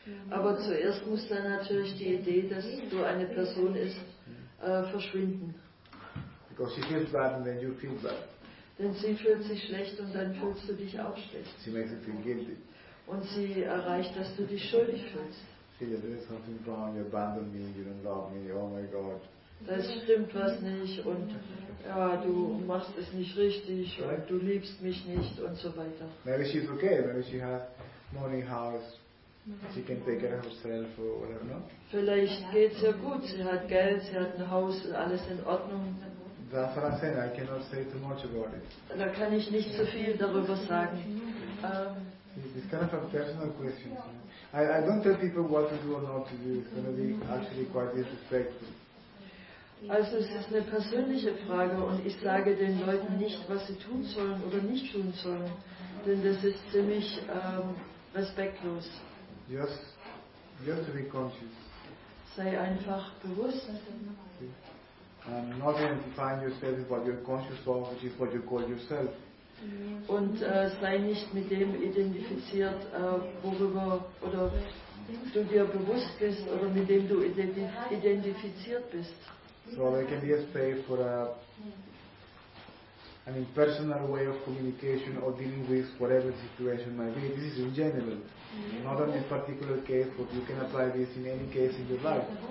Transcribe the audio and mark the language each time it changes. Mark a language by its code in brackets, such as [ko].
[de] Aber zuerst muss dann natürlich die Idee, dass du eine Person bist, verschwinden. [en] Because she feels bad and then you feel bad. [de] Denn sie fühlt sich schlecht und dann fühlst du dich auch schlecht. [en] She makes you feel guilty. [de] Und sie erreicht, dass du dich schuldig fühlst. [en] See, you're doing something wrong, you abandoned me, you don't love me, oh my God. [de] Das stimmt was nicht und ja, du machst es nicht richtig, right? Du liebst mich nicht und so weiter. [en] Maybe she's okay, maybe she has money, house, she can take care of herself or whatever, no? [de] Vielleicht geht's ja gut, sie hat Geld, sie hat ein Haus und alles in Ordnung. [en] That's what I'm saying, I cannot say too much about it. [de] Da kann ich nicht zu viel darüber sagen. [en] It's kind of a personal question. I don't tell people what to do or not to do, it's going to be actually quite disrespectful. [de] Also es ist eine persönliche Frage und ich sage den Leuten nicht, was sie tun sollen oder nicht tun sollen, denn das ist ziemlich respektlos. [en] Just to be conscious. [de] Sei einfach bewusst. [en] And not identifying yourself with what you're conscious of, which is what you call yourself. [de] Und sei nicht mit dem identifiziert, worüber oder du dir bewusst bist oder mit dem du identifiziert bist. [en] So there can be a space for an impersonal way of communication or dealing with whatever the situation might be. This is in general, not in a particular case, but you can apply this in any case in your life.